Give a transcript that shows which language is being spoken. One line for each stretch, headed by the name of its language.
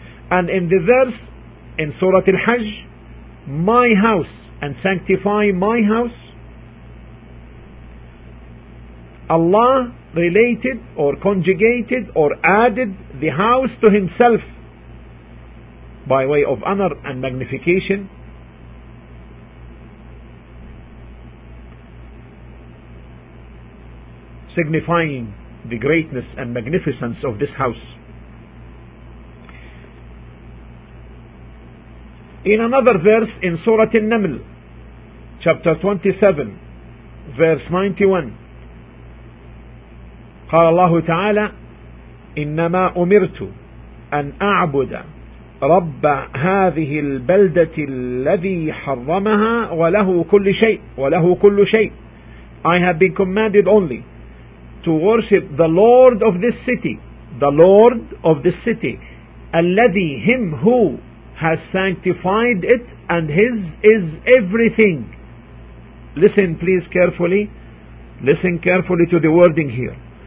English: And in the verse in Surah Al-Hajj, my house, and sanctify my house, Allah related or conjugated or added the house to himself by way of honor and magnification. Signifying the greatness and magnificence of this house. In another verse in Surah An-Naml, chapter 27, verse 91,
Arabic: قال الله تعالى إنما أمرت أن أعبد رب هذه البلدة الذي حرمها وله كل شيء وله كل شيء.
English: I have been commanded only to worship the Lord of this city, the Lord of this city, الذي, him who has sanctified it, and his is everything. Listen please carefully, listen carefully to the wording here.